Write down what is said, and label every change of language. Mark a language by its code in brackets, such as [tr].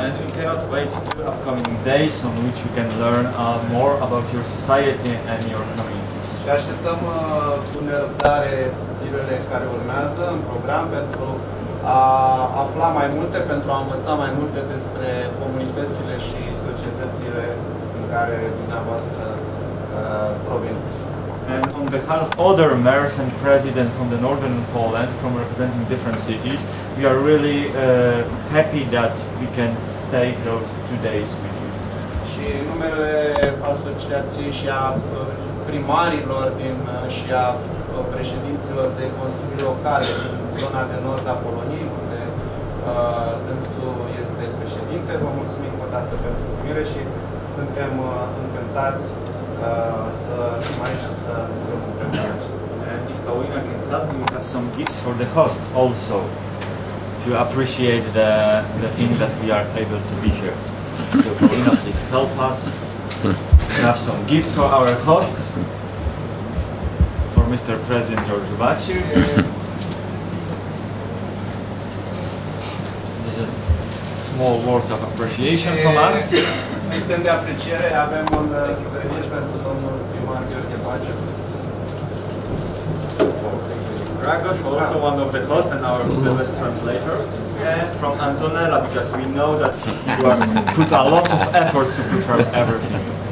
[en] And we cannot wait to upcoming days on which you can learn more about your society and your communities. [ro] Și așteptăm cu nerăbdare zilele care urmează în program pentru a afla mai multe, pentru a învăța mai multe despre comunitățile și societățile în care dumneavoastră [en] And on behalf of other mayors and presidents from the northern Poland, from representing different cities, we are really happy that we can stay those 2 days with you. [ro] Și numele asociației și a primarilor din și a președinților de consilii locale din zona de nord a Poloniei, unde dânsul este președinte. Vă mulțumim o dată pentru primire și suntem încântați să fim aici și să lucrăm împreună acestea. [en] If Paulina can clap, we have some gifts for the hosts also, to appreciate the thing that we are able to be here. So Paulina, please help us. We have some gifts for our hosts, for Mr. President George Baciu. This is small words of appreciation from us. [ro] Un semn de apreciere, avem un suvenir pentru domnul primar George Baciu. [en] Dragos, also one of the hosts and our best translator. And from Antonella, because we know that you have put a lot of effort to prepare everything.